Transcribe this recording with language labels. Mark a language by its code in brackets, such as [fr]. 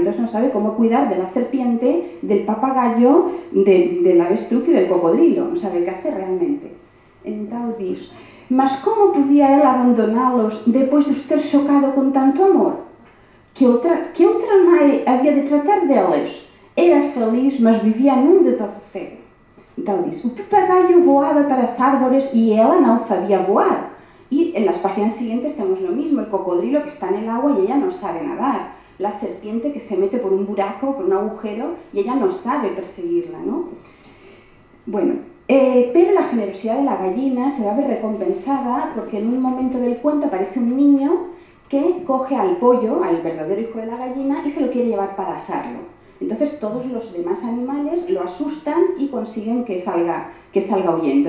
[es] Entonces no sabe cómo cuidar de la serpiente, del papagayo, del avestruz y del cocodrilo. No sabe qué hacer realmente. Entonces, ¿mas cómo podía él abandonarlos después de estar chocado con tanto amor? ¿Qué otra madre había de tratar de ellos? Era feliz, mas vivía en un desasosiego. [pt] Então diz, o papagaio voava para as árvores e ela não sabia voar. E em las páginas seguintes temos o mesmo, o cocodrilo que está no água e ela não sabe nadar. A serpiente que se mete por um buraco, por um agujero, e ela não sabe perseguirla, não? [es] Bueno, pero [pt] a generosidade da [es] gallina [pt] se vai ver [es] recompensada porque en un momento del cuento aparece un niño que coge al pollo, al verdadero hijo de la gallina, y se lo quiere llevar para asarlo. Entonces todos los demás animales lo asustan y consiguen que salga huyendo.